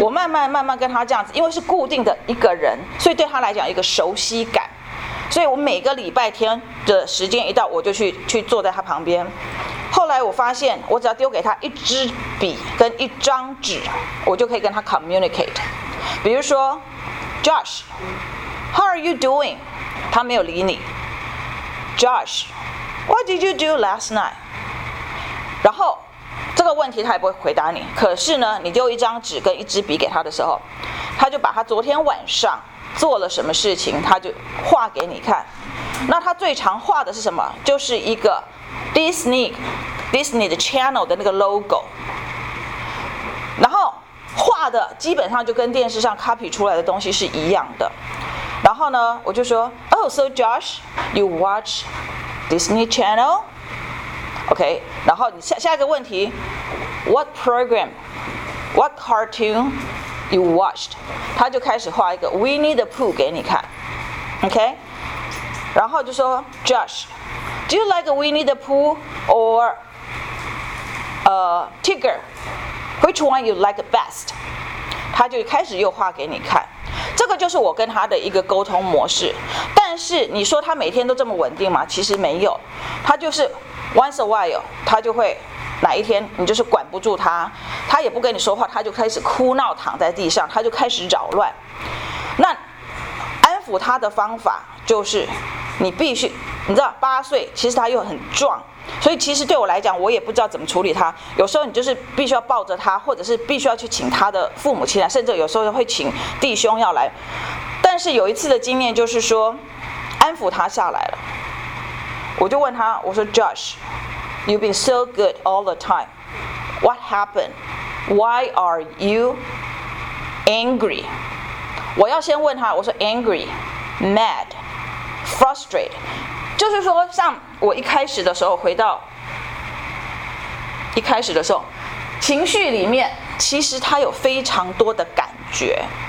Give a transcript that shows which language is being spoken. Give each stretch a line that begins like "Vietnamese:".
Chinese: 我慢慢慢慢跟他这样子，因为是固定的一个人，所以对他来讲一个熟悉感。所以我每个礼拜天的时间一到，我就去坐在他旁边。后来我发现，我只要丢给他一支笔跟一张纸，我就可以跟他 communicate。比如说
English: ，Josh， How are you doing？
Chinese: 他没有理你。
English: Josh， What did you do last night？
Chinese: 然后这个问题他也不会回答你，可是呢，你丢一张纸跟一支笔给他的时候，他就把他昨天晚上做了什么事情，他就画给你看。那他最常画的是什么？就是一个 Disney 的 Channel 的那个 logo， 然后画的基本上就跟电视上 copy 出来的东西是一样的。然后呢，我就说
English: ，Oh, so Josh, you watch Disney Channel？ OK，
Chinese: 然后你下一个问题
English: ，What program, what cartoon you watched？
Chinese: 他就开始画一个
English: Winnie the Pooh
Chinese: 给你看
English: ，OK，
Chinese: 然后就说
English: ，Josh， do you like Winnie the Pooh or Tigger？ Which one you like best？
Chinese: 他就开始又画给你看。这个就是我跟他的一个沟通模式。但是你说他每天都这么稳定吗？其实没有，他就是
English: Once a while，
Chinese: 他就会哪一天你就是管不住他，他也不跟你说话，他就开始哭闹，躺在地上，他就开始扰乱。那安抚他的方法就是，你必须，你知道，8岁，其实他又很壮，所以其实对我来讲，我也不知道怎么处理他。有时候你就是必须要抱着他，或者是必须要去请他的父母亲来，甚至有时候会请弟兄要来。但是有一次的经验就是说，安抚他下来了。我就问他，我说
English: Josh， you've been so good all the time， what happened？ Why are you angry？
Chinese: 我要先问他，我说
English: angry， mad， frustrated，
Chinese: 就是说像我一开始的时候，回到一开始的时候，情绪里面其实他有非常多的感觉。